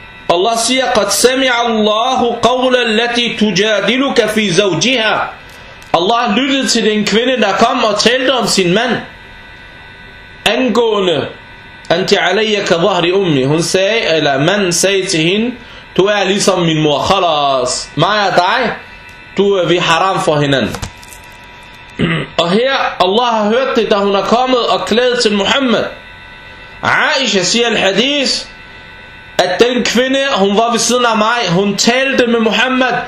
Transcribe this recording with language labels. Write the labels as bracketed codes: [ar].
[da] Allah siger, [ar] قَدْ سَمِعَ اللَّهُ قَوْلَ الَّتِي تُجَادِلُكَ فِي زَوْجِهَا. [da] Allah lyttede til den kvinde, der kom og talte om sin mand. Angående, [ar] أَنْتِ عَلَيَّكَ ظَهْرِ أُمِّي. [da] Hun sagde, eller man sagde til hende, du er ligesom min mor, خلاص. Mig og dig, du er vi haram for hinanden. Og her, Allah har hørt det, da hun er kommet og klædet til Muhammed. Aisha siger al-Hadith, at den kvinde, hun var ved siden af mig, hun talte med Muhammed.